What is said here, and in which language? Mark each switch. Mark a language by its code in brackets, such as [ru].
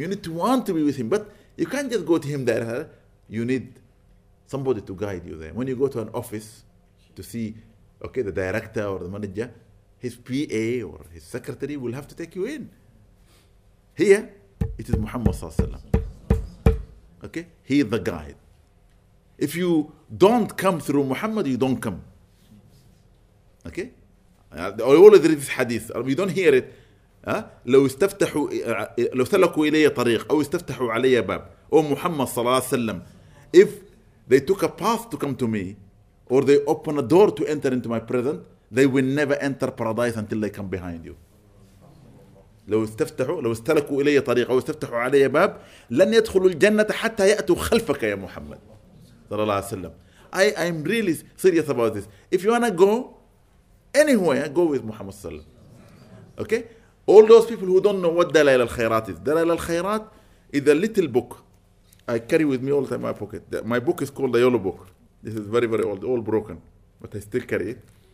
[en] You need to want to be with Him. But you can't just go to Him there. Huh? You need somebody to guide you there. When you go to an office to see, okay, the director or the manager, his PA or his secretary will have to take you in. Here, it is Muhammad Sallallahu Alaihi Wasallam. Okay? He is the guide. If you don't come through Muhammad, you don't come. Okay? I always read this hadith. We don't hear it. [ar] لو سلكوا إلي طريق أو استفتحوا علي باب. [en] Oh, Muhammad Sallallahu Alaihi Wasallam. If they took a path to come to me, or they open a door to enter into my presence, they will never enter paradise until they come behind you. [ar] لو استلكوا إلي طريق أو استفتحوا علي باب لن يدخلوا الجنة حتى يأتوا خلفك يا محمد صلى الله عليه وسلم. [en] I'm really serious about this. If you wanna go anywhere, go with Muhammad صلى الله عليه وسلم. Okay? All those people who don't know what دلائل الخيرات is. دلائل الخيرات is a little book I carry with me all the time in my pocket. My book is called the Yellow Book. This is very, very old, all broken, but I still carry it.